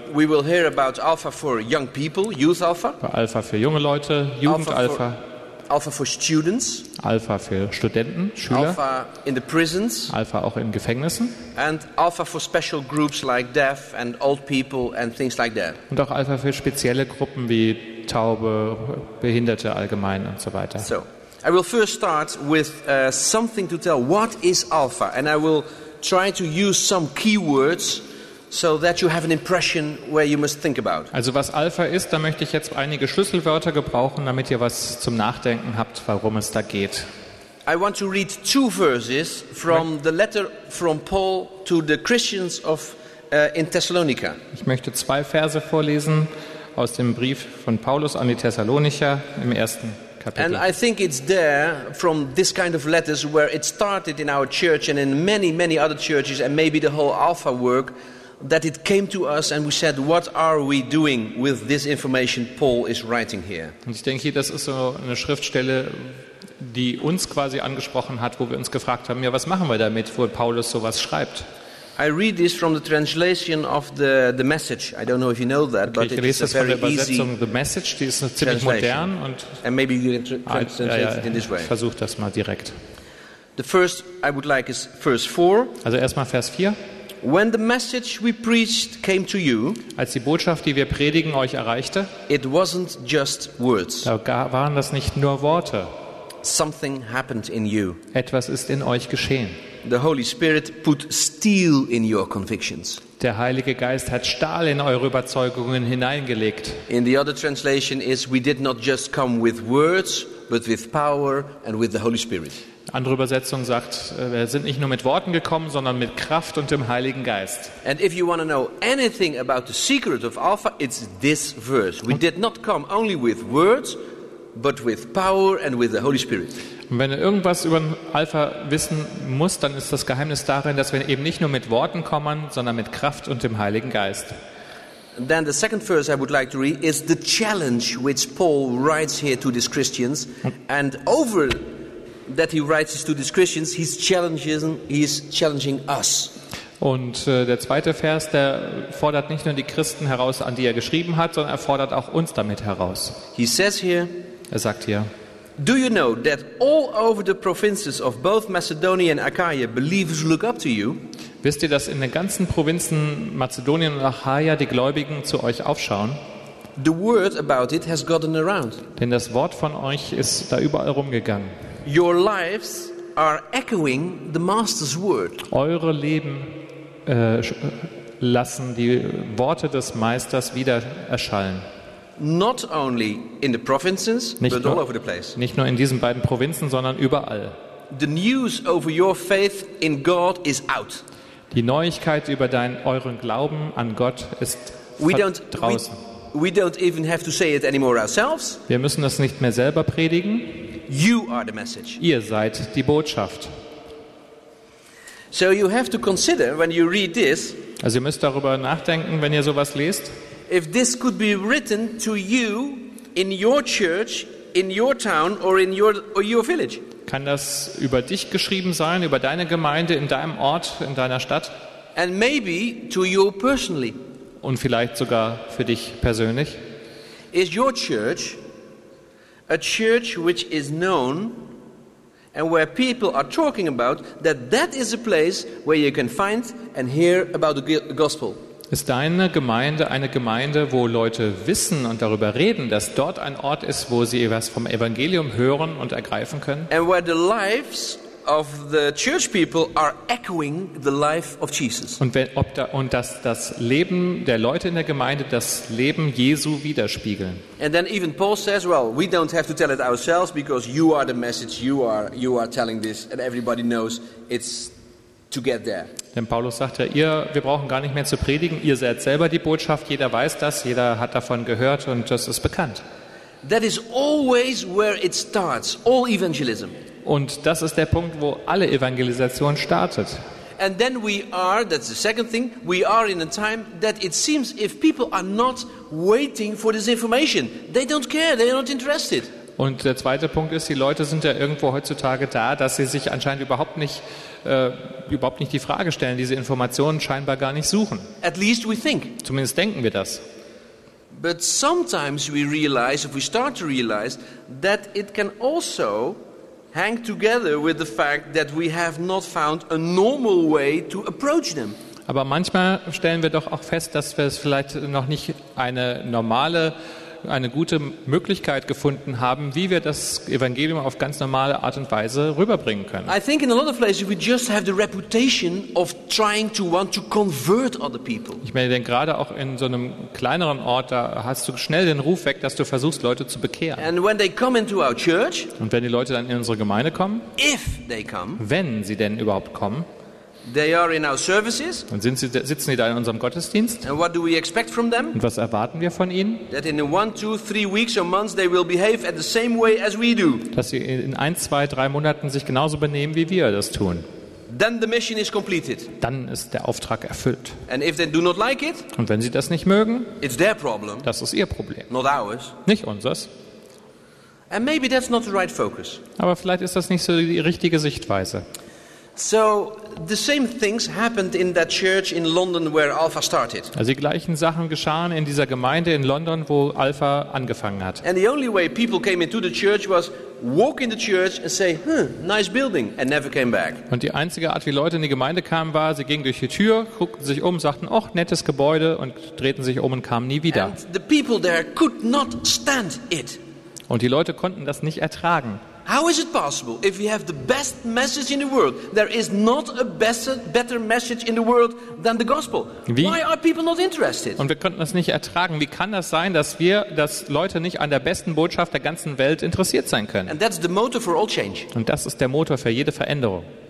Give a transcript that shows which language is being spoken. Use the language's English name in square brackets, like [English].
[English] We will hear about Alpha for young people, youth Alpha. [German] Alpha für junge Leute, Jugend Alpha. [English] Alpha for students. [German] Alpha für Studenten, Schüler. [English] Alpha in the prisons. [German] Alpha auch in Gefängnissen. [English] And Alpha for special groups like deaf and old people and things like that. [German] Und auch Alpha für spezielle Gruppen wie Taube, Behinderte allgemein und so weiter. [English] So, I will first start with something to tell. What is Alpha? And I will try to use some keywords. So that you have an impression where you must think about. [German] Also was Alpha ist, da möchte ich jetzt einige Schlüsselwörter gebrauchen, damit ihr was zum Nachdenken habt, warum es da geht. [English] I want to read 2 verses from the letter from Paul to the Christians of in Thessalonica. [German] Ich möchte 2 Verse vorlesen aus dem Brief von Paulus an die Thessalonicher im 1. Kapitel. [English] And I think it's there from this kind of letters where it started in our church and in many many other churches and maybe the whole Alpha work. That it came to us and we said, what are we doing with this information Paul is writing here? [German] Und ich denke, das ist so eine Schriftstelle, die uns quasi angesprochen hat, wo wir uns gefragt haben, ja, was machen wir damit, wo Paulus sowas schreibt? [English] I read this from the translation of the Message. I don't know if you know that, but [German] ich lese das von der Übersetzung The Message, die ist ziemlich modern. Und [English] and maybe you can translate it in this way. [German] Ich versuche das mal direkt. [English] The first I would like is verse 4. [German] Also erstmal Vers 4. [English] When the message we preached came to you, [German] als die Botschaft, die wir predigen, euch erreichte, [English] it wasn't just words. [German] Da waren das nicht nur Worte. [English] Something happened in you. [German] Etwas ist in euch geschehen. [English] The Holy Spirit put steel in your convictions. [German] Der Heilige Geist hat Stahl in eure Überzeugungen hineingelegt. [English] In the other translation is we did not just come with words, but with power and with the Holy Spirit. [German] Andere Übersetzung sagt, wir sind nicht nur mit Worten gekommen, sondern mit Kraft und dem Heiligen Geist. [English] And if you want to know anything about the secret of Alpha, it's this verse. We did not come only with words, but with power and with the Holy Spirit. [German] Und wenn du irgendwas über Alpha wissen musst, dann ist das Geheimnis darin, dass wir eben nicht nur mit Worten kommen, sondern mit Kraft und dem Heiligen Geist. [English] Then the second verse I would like to read is the challenge which Paul writes here to these Christians and over that he writes to these Christians, he's challenging us. [German] Und der zweite Vers, der fordert nicht nur die Christen heraus, an die er geschrieben hat, sondern er fordert auch uns damit heraus. [English] He says here, [German] er sagt hier, [English] do you know that all over the provinces of both Macedonia and Achaia believers look up to you? [German] Wisst ihr, dass in den ganzen Provinzen Mazedonien und Achaia die Gläubigen zu euch aufschauen? [English] The word about it has gotten around. [German] Denn das Wort von euch ist da überall rumgegangen. [English] Your lives are echoing the Master's word. [German] Eure Leben lassen die Worte des Meisters wieder erschallen. [English] Not only in the provinces, but all over the place. [German] Nicht nur in diesen beiden Provinzen, sondern überall. [English] The news over your faith in God is out. [German] Die Neuigkeit über euren Glauben an Gott ist draußen. [English] We don't even have to say it anymore ourselves. [German] Wir müssen das nicht mehr selber predigen. [English] You are the message. [German] Ihr seid die Botschaft. [English] So you have to consider when you read this. [German] Also ihr müsst darüber nachdenken, wenn ihr sowas lest. [English] If this could be written to you in your church, in your town or in your village. [German] Kann das über dich geschrieben sein, über deine Gemeinde, in deinem Ort, in deiner Stadt? [English] And maybe to you personally. [German] Und vielleicht sogar für dich persönlich. [English] Is your church a church which is known and where people are talking about that is a place where you can find and hear about the gospel? [German] Ist deine Gemeinde eine Gemeinde, wo Leute wissen und darüber reden, dass dort ein Ort ist, wo sie etwas vom Evangelium hören und ergreifen können? [English] And where the lives of the church people are echoing the life of Jesus. [German] Und dass das Leben der Leute in der Gemeinde das Leben Jesu widerspiegeln. [English] And then even Paul says, well, we don't have to tell it ourselves because you are the message, you are telling this and everybody knows it's to get there. [German] Denn Paulus sagt ja, wir brauchen gar nicht mehr zu predigen, ihr seid selber die Botschaft, jeder weiß das, jeder hat davon gehört und das ist bekannt. [English] That is always where it starts, all evangelism. [German] Und das ist der Punkt, wo alle Evangelisation startet. [English] And then we are, that's the second thing, we are in a time that it seems if people are not waiting for this information, they don't care, they are not interested. [German] Und der zweite Punkt ist, die Leute sind ja irgendwo heutzutage da, dass sie sich anscheinend überhaupt nicht die Frage stellen, diese Informationen scheinbar gar nicht suchen. [English] At least we think. [German] Zumindest denken wir das. [English] But sometimes we realize, if we start to realize, that it can also hang together with the fact that we have not found a normal way to approach them. [German] Aber manchmal stellen wir doch auch fest, dass wir es vielleicht noch nicht eine gute Möglichkeit gefunden haben, wie wir das Evangelium auf ganz normale Art und Weise rüberbringen können. [English] I think in a lot of places we just have the reputation of trying to want to convert other people. [German] Ich meine, denn gerade auch in so einem kleineren Ort, da hast du schnell den Ruf weg, dass du versuchst, Leute zu bekehren. [English] And when they come into our church, [German] und wenn die Leute dann in unsere Gemeinde kommen, [English] if they come, [German] wenn sie denn überhaupt kommen, [English] they are in our services. [German] Und sitzen sie da in unserem Gottesdienst? [English] And what do we expect from them? [German] Und was erwarten wir von ihnen? [English] That in 1, 2, 3 weeks or months they will behave at the same way as we do. [German] Dass sie in 1, 2, 3 Monaten sich genauso benehmen wie wir das tun. [English] Then the mission is completed. [German] Dann ist der Auftrag erfüllt. [English] And if they do not like it? [German] Und wenn sie das nicht mögen? [English] It's their problem. [German] Das ist ihr Problem. [English] Not ours. [German] Nicht unseres. [English] And maybe that's not the right focus. [German] Aber vielleicht ist das nicht so die richtige Sichtweise. [English] So the same things happened in that church in London where Alpha started. [German] Also die gleichen Sachen geschahen in dieser Gemeinde in London, wo Alpha angefangen hat. [English] And the only way people came into the church was walk in the church and say, nice building, and never came back. [German] Und die einzige Art, wie Leute in die Gemeinde kamen, war, sie gingen durch die Tür, guckten sich um, sagten, ach, nettes Gebäude, und drehten sich um und kamen nie wieder. [English] And the people there could not stand it. [German] Und die Leute konnten das nicht ertragen. [English] How is it possible if we have the best message in the world, there is not a better message in the world than the gospel? [German] Wie? [English] Why are people not interested? [German] Und wir konnten das nicht ertragen. Wie kann das sein, dass Leute nicht an der besten Botschaft der ganzen Welt interessiert sein können? [English] And that's the motor for all change. [German] Und das ist der Motor für jede Veränderung.